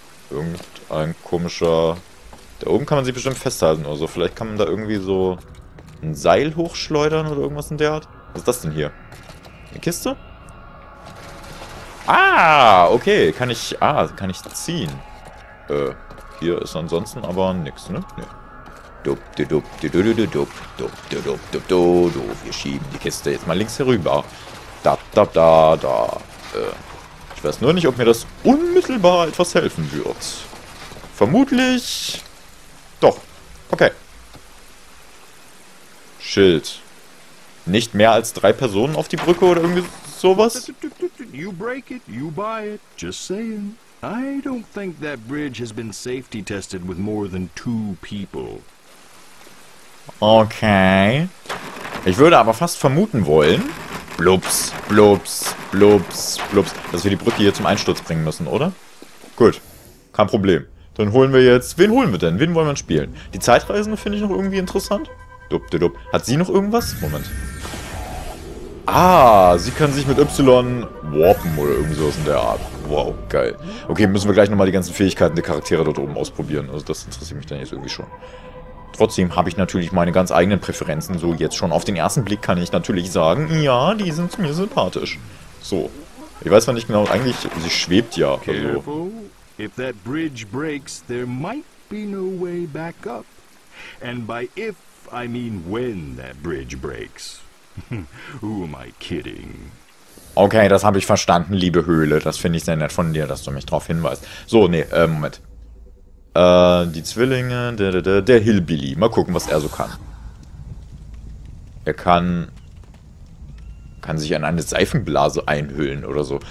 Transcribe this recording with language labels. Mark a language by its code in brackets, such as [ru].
[de] Irgendein komischer... Da oben kann man sich bestimmt festhalten oder so. Vielleicht kann man da irgendwie so ein Seil hochschleudern oder irgendwas in der Art. Was ist das denn hier? Eine Kiste? Ah, okay, kann ich ziehen. Hier ist ansonsten aber nix, ne? Nee. Dup, dup, dup, dup, dup, dup, dup, dup, dup, dup, dup, dup, dup. Wir schieben die Kiste jetzt mal links herüber. Da, da, da, da. Ich weiß nur nicht, ob mir das unmittelbar etwas helfen wird. Vermutlich. Doch. Okay. Schild. Nicht mehr als 3 Personen auf die Brücke oder irgendwie sowas? [en] You break it, you buy it. Just saying. I don't think that bridge has been safety tested with more than 2 people. [de] Okay. Ich würde aber fast vermuten wollen. Blups, blups, blups, blups. Dass wir die Brücke hier zum Einsturz bringen müssen, oder? Gut. Kein Problem. Dann holen wir jetzt. Wen holen wir denn? Wen wollen wir spielen? Die Zeitreisende finde ich noch irgendwie interessant. Dup, dup, dup. Hat sie noch irgendwas? Moment. Ah, sie kann sich mit Y warpen oder irgendwie sowas in der Art. Wow, geil. Okay, müssen wir gleich nochmal die ganzen Fähigkeiten der Charaktere dort oben ausprobieren. Also das interessiert mich dann jetzt irgendwie schon. Trotzdem habe ich natürlich meine ganz eigenen Präferenzen. So jetzt schon auf den ersten Blick kann ich natürlich sagen, ja, die sind mir sympathisch. So. Ich weiß zwar nicht genau, eigentlich, sie schwebt ja. Also. [en] If that bridge breaks, there might be no way back up. And by if, I mean when that bridge breaks. Who am I kidding? [de] Okay, das habe ich verstanden, liebe Höhle. Das finde ich sehr nett von dir, dass du mich darauf hinweist. So, nee, Moment. Die Zwillinge, der Hillbilly. Mal gucken, was er so kann. Er kann sich an eine Seifenblase einhüllen oder so.